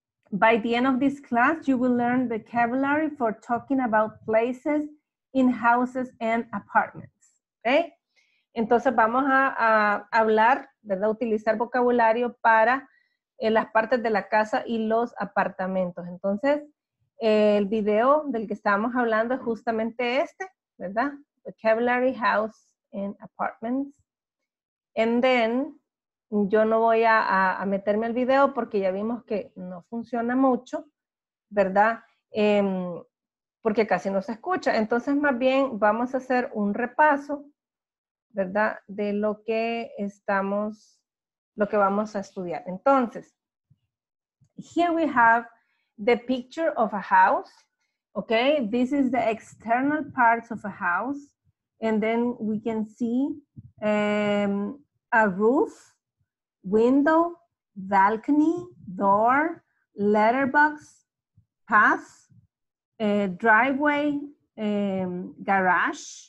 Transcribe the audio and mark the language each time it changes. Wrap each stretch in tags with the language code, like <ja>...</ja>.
<en>By the end of this class, you will learn vocabulary for talking about places in houses and apartments, ¿okay?</en> <es>Entonces vamos a hablar, ¿verdad? Utilizar vocabulario para las partes de la casa y los apartamentos. Entonces, el video del que estábamos hablando es justamente este, ¿verdad?</es> <en>Vocabulary, house, and apartments. And then,</en> <es>yo no voy a meterme al video porque ya vimos que no funciona mucho, ¿verdad? Porque casi no se escucha. Entonces, más bien, vamos a hacer un repaso, ¿verdad? De lo que estamos, lo que vamos a estudiar.</es> <en>Entonces, here we have the picture of a house, okay? This is the external parts of a house, and then we can see a roof, window, balcony, door, letterbox, path, driveway, garage.</en>